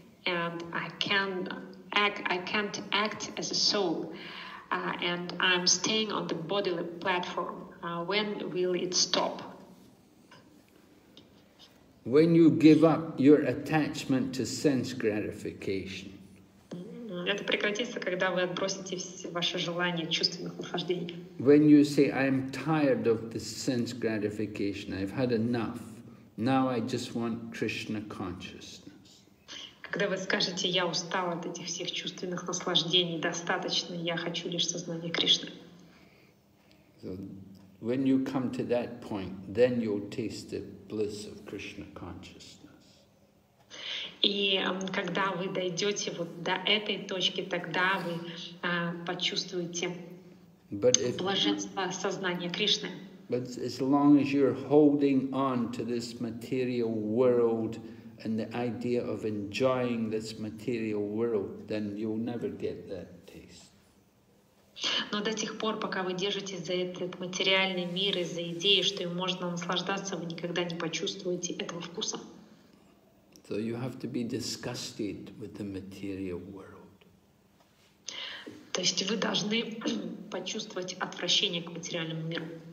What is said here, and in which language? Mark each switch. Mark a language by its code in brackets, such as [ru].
[en] And I can't act as a soul, and I'm staying on the bodily platform. When will it stop? When you give up your attachment to sense gratification. [ru] Это прекратится, когда вы отбросите ваше желание чувственных наслаждений. [en] When you say, I'm tired of the sense gratification, I've had enough, now I just want Krishna consciousness. [ru] Когда вы скажете, я устал от этих всех чувственных наслаждений, достаточно, я хочу лишь сознание Кришны. [en] So, when you come to that point, then you'll taste the bliss of Krishna consciousness. [ru] И когда вы дойдете вот до этой точки, тогда вы почувствуете блаженство сознания Кришны. [en] But as long as you're holding on to this material world, and the idea of enjoying this material world, then you'll never get that taste. [ru] Но до тех пор, пока вы держитесь за этот материальный мир и за идеей, что им можно наслаждаться, вы никогда не почувствуете этого вкуса. [en] So you have to be disgusted with the material world. [ru] То есть вы должны почувствовать отвращение к материальному миру.